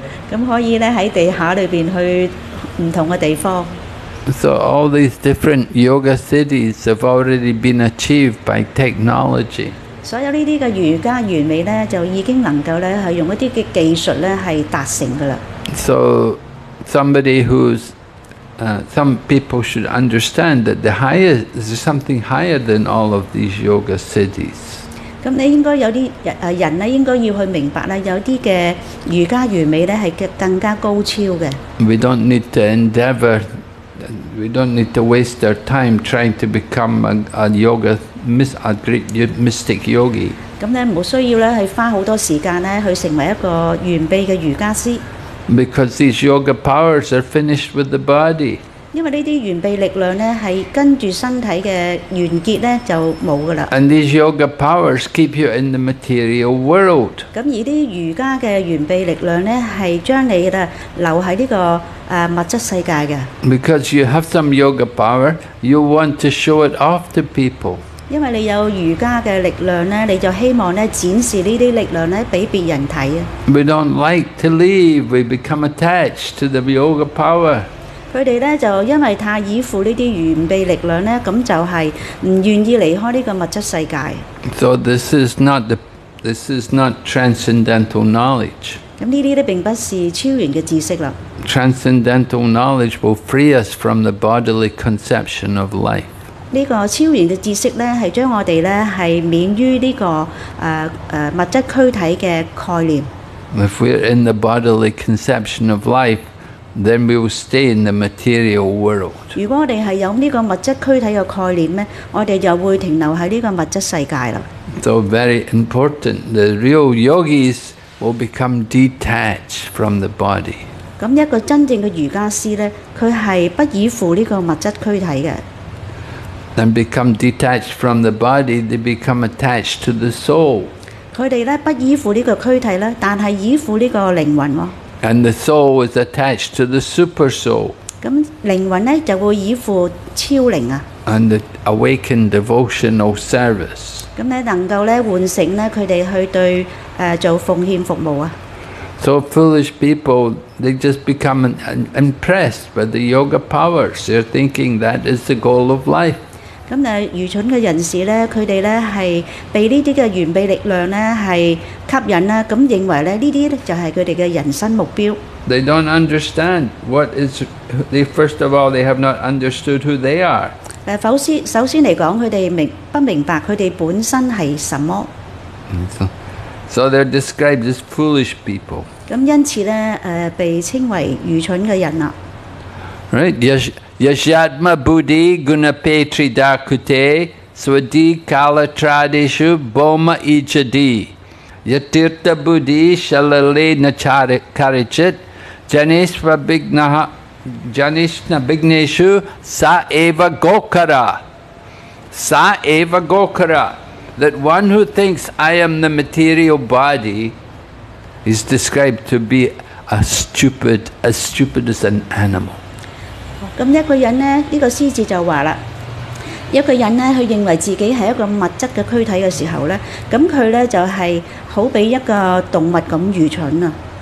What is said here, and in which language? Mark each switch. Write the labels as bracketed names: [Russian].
[Cantonese] 咁可以咧喺地下裏邊去唔同嘅地方。 [English] So all these different yoga cities have already been achieved by technology. [Cantonese] 所有呢啲嘅瑜伽完美咧，就已經能夠咧係用一啲嘅技術咧係達成噶啦。 [English] So somebody who's some people should understand that the higher is something higher than all of these yoga cities. [Cantonese] 咁你應該有啲人咧，應該要去明白咧，有啲嘅瑜伽完美咧係更加高超嘅。 [English] We don't need to endeavor. We don't need to waste our time trying to become a great mystic yogi. [Cantonese] 咁咧，冇需要咧，係花好多時間咧，去成為一個完備嘅瑜伽師。 [English] Because these yoga powers are finished with the body. [Cantonese] 因為呢啲完備力量咧，係跟住身體嘅完結咧，就冇噶啦。 [English] And these yoga powers keep you in the material world. [Cantonese] 咁而啲瑜伽嘅完備力量咧，係將你咧留喺呢個物質世界嘅。 [English] Because you have some yoga power, you want to show it off to people. [Cantonese] 因為你有瑜伽嘅力量咧，你就希望咧展示呢啲力量咧俾別人睇啊。 [English] We don't like to leave. We become attached to the yoga power. [Cantonese] 佢哋咧就因為太依附呢啲完備力量咧，咁就係唔願意離開呢個物質世界。 [English] So this is not transcendental knowledge. [Cantonese] 咁呢啲咧並不是超然嘅知識啦。 [English] Transcendental knowledge will free us from the bodily conception of life. [Cantonese] 呢個超然嘅知識咧，係將我哋咧係免於呢個物質軀體嘅概念。 [English] If we're in the bodily conception of life. Then we will stay in the material world. [Cantonese] 如果我哋係有呢個物質軀體嘅概念咧，我哋就會停留喺呢個物質世界啦。 [English] So very important. The real yogis will become detached from the body. [Cantonese] 咁一個真正嘅瑜伽師咧，佢係不依附呢個物質軀體嘅。 [English] Then become detached from the body. They become attached to the soul. [Cantonese] 佢哋咧不依附呢個軀體咧，但係依附呢個靈魂喎。 [English] And the soul is attached to the super soul. [Cantonese] 咁靈魂咧就會依附超靈啊。 [English] And the awakened devotional service. [Cantonese] 咁咧能夠咧喚醒咧佢哋去對做奉獻服務啊。 [English] So foolish people, they just become impressed by the yoga powers. They're thinking that is the goal of life. [Cantonese] 咁咧愚蠢嘅人士咧，佢哋咧係被呢啲嘅完備力量咧係。吸引啦，咁認為咧呢啲咧就係佢哋嘅人生目標。 [English] They don't understand what is. They first of all, they have not understood who they are. [Cantonese] 首先嚟講，佢哋不明白佢哋本身係什麼。 [English] So they're described as foolish people. [Cantonese] 咁因此咧，被稱為愚蠢嘅人啦。 [Sanskrit] Right, yashatma buddhi gunapetri dakute swadhi kala tradishu boma ichadi. Yatirta buddhi shalale nacharikarichit janishna vigneshu sa eva gokara. [English] That one who thinks I am the material body is described to be as stupid as an animal. [Cantonese] 咁一個人咧，呢個獅子就話啦。一個人咧，佢認為自己係一個物質嘅軀體嘅時候咧，咁佢咧就係好比一個動物咁愚蠢啊。